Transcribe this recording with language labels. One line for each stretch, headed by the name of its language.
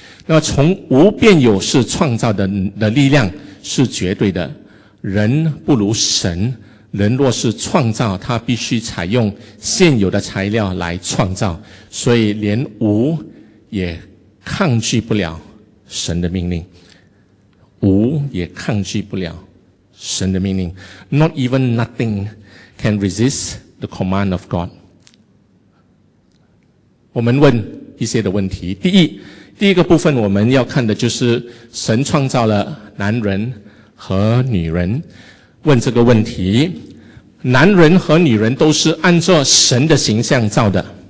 Chinese: 那从无变有是创造的力量是绝对的，人不如神，人若是创造，他必须采用现有的材料来创造，所以连无也抗拒不了神的命令。无也抗拒不了神的命令。
English: Not even nothing can resist the command of God.
Chinese: 我们问一些的问题。第一个部分我们要看的就是神创造了男人和女人。问这个问题，男人和女人都是按照神的形象造的。